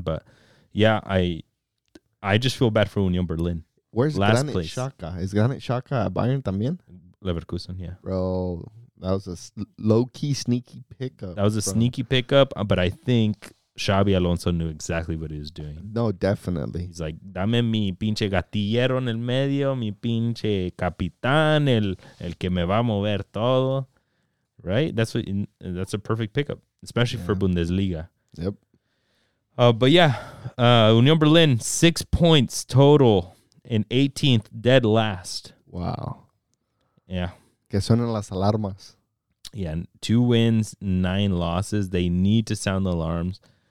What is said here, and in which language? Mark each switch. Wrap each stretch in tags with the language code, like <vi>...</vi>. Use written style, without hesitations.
<en>But, yeah, I just feel bad for Union Berlin. Where's last Granit place. Xhaka? Is Granit Xhaka at Bayern también? Leverkusen, yeah. Bro. That was a low-key, sneaky pickup. That was a sneaky pickup, but I think Xabi Alonso knew exactly what he was doing. No, definitely. He's like,</en> <es>dame mi pinche gatillero en el medio, mi pinche capitán, el que me va a mover todo.</es> <en>Right? That's a perfect pickup, especially for Bundesliga. Yep. But yeah, Union Berlin, 6 points total and 18th, dead last. Wow. Yeah.</en> <es>Que suenen las alarmas.</es> <en>Yeah, 2 wins, 9 losses. They need to sound the alarms.</en>